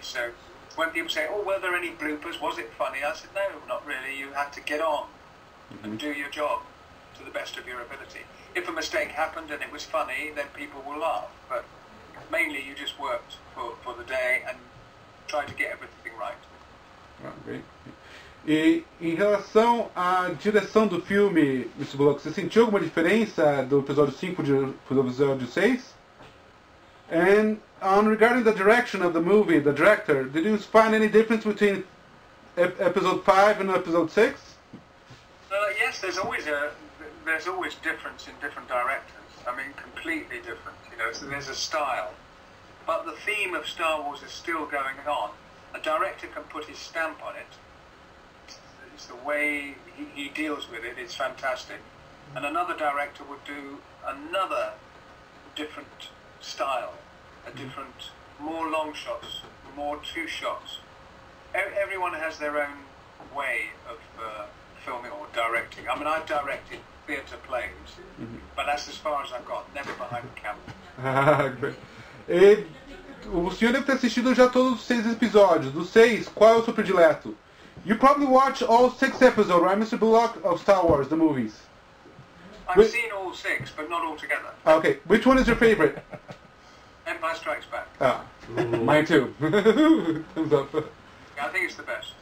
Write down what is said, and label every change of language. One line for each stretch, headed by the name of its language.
English: So when people say, oh, were there any bloopers? Was it funny? I said, no, not really. You had to get on and do your job to the best of your ability. If a mistake happened and it was funny, then people will laugh. But mainly you just worked for the day and try to get everything right. Oh, great.
Portuguese: E em relação à direção do filme, Mr. Bullock, você sentiu alguma diferença do episódio 5 para o episódio 6?
English: And on regarding the direction of the movie, the director, did you find any difference between episode 5 and episode 6? Yes, there's always difference in different directors. I mean, completely different. You know, so there's a style, but the theme of Star Wars is still going on. A director can put his stamp on it. It's the way he deals with it. It's fantastic. And another director would do another different style, a different, more long shots, more two shots. Everyone has their own way of filming or directing. I mean, I've directed theatre plays, but that's as far as I've got. Never behind the camera.
Portuguese: Ah, e o senhor deve ter assistido já todos os seis episódios. Dos seis, qual é o seu predileto?
English: You probably watch all six episodes, right, Mr. Bullock, of Star Wars, the movies. I've seen all six, but not all together. Okay, which one is your favorite? Empire Strikes Back. Ah, Ooh. mine too. Thumbs up. Yeah, I think it's the best.